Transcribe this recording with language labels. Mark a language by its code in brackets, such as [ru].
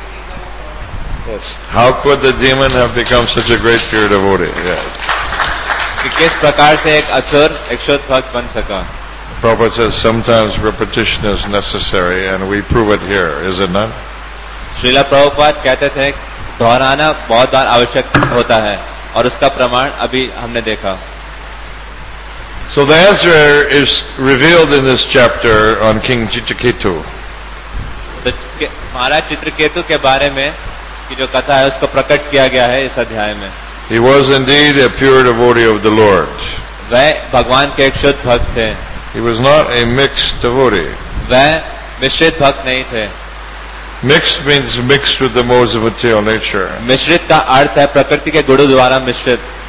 [en] How could the demon have become such a great pure devotee? [hi] किस प्रकार से एक असुर एक शुद्ध भक्त बन सका? [en] Prabhupada says sometimes repetition is necessary and we prove it here, is it not? [hi] Srila Prabhupada कहते थे दोहराना बहुत बार आवश्यक होता है और उसका प्रमाण अभी हमने देखा. [en] So the answer is revealed in this chapter on King Chitraketu. [hi] महाराज चित्रकेतु के बारे में जो कथा है उसको प्रकट किया गया है इस अध्याय में. [en] He was indeed a pure devotee of the Lord. [hi] वह भगवान के एक शुद्ध भक्त थे. [en] He was not a mixed devotee. [hi] वह मिश्रित भक्त नहीं थे. [en] Mixed means mixed with the modes of material nature. [hi] मिश्रित का अर्थ है प्रकृति के गुणों द्वारा मिश्रित.